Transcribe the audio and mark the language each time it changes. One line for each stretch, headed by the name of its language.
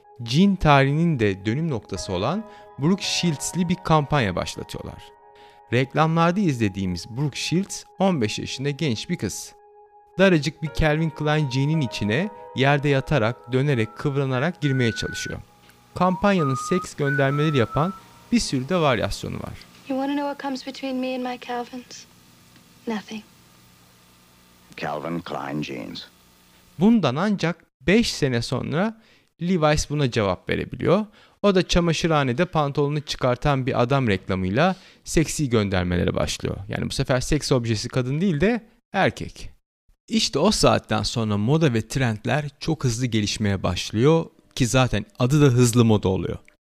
Turkish: cin tarihinin de dönüm noktası olan Brooke Shields'li bir kampanya başlatıyorlar. Reklamlarda izlediğimiz Brooke Shields 15 yaşında genç bir kız. Daracık bir Calvin Klein jean'in içine yerde yatarak, dönerek, kıvranarak girmeye çalışıyor. Kampanyanın seks göndermeleri yapan bir sürü de varyasyonu var.
English: You want to know what comes between me and my Calvins? Nothing. Calvin Klein jeans.
Turkish: Bundan ancak 5 sene sonra Levi's buna cevap verebiliyor. O da çamaşırhanede pantolonunu çıkartan bir adam reklamıyla seksi göndermelere başlıyor. Yani bu sefer seks objesi kadın değil de erkek. İşte o saatten sonra moda ve trendler çok hızlı gelişmeye başlıyor ki zaten adı da hızlı moda oluyor.